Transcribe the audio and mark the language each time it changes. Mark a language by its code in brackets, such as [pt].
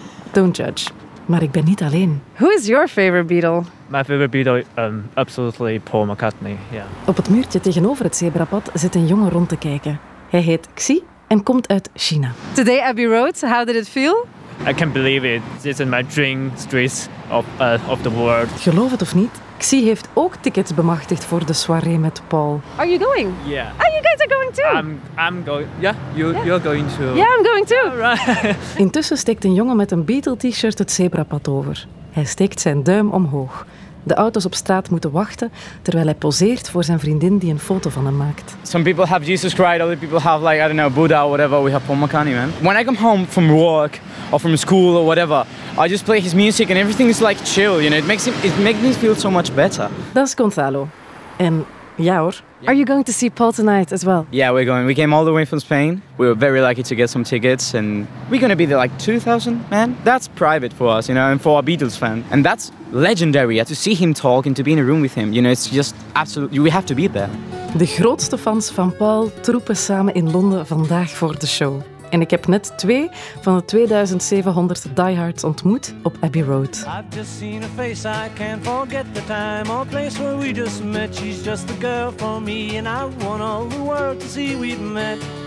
[en] Don't judge. [nl] Maar ik ben niet alleen. [en] Who is your favorite Beatle? My favorite Beatle, absolutely Paul McCartney. Yeah. [nl] Op het muurtje tegenover het zebrapad zit een jongen rond te kijken. Hij heet Xi en komt uit China. [en] Today Abbey Road, how did it feel? I can't believe it. This is my dream streets of the world. [nl] Geloof het of niet, Xi heeft ook tickets bemachtigd voor de soirée met Paul. [en] Are you going? Yeah. Oh, you guys are going too? I'm going. Yeah, you're going too. Yeah, I'm going too. All right. [nl] Intussen steekt een jongen met een Beatle-t-shirt het zebrapad over. Hij steekt zijn duim omhoog. De auto's op straat moeten wachten, terwijl hij poseert voor zijn vriendin die een foto van hem maakt. [en] Some people have Jesus Christ, other people have like, I don't know, Buddha or whatever. We have Paul McCartney, man. When I come home from work or from school or whatever, I just play his music and everything is like chill, you know. It makes me feel so much better. [nl] Dat is Gonzalo. En ja hoor. [en] Are you going to see Paul tonight as well? Yeah, we're going. We came all the way from Spain. We were very lucky to get some tickets and we're going to be there like 2,000, man. That's private for us, you know, and for our Beatles fan. And that's legendary, to see him talk and to be in a room with him. You know, it's just absolutely, we have to be there. [nl] De grootste fans van Paul troepen samen in Londen vandaag voor de show. En ik heb net 2 van de 2700 diehards ontmoet op Abbey Road. [en] I've just seen a face, I can't forget the time or place where we just met. She's just the girl for me and I want all the world to see we've met.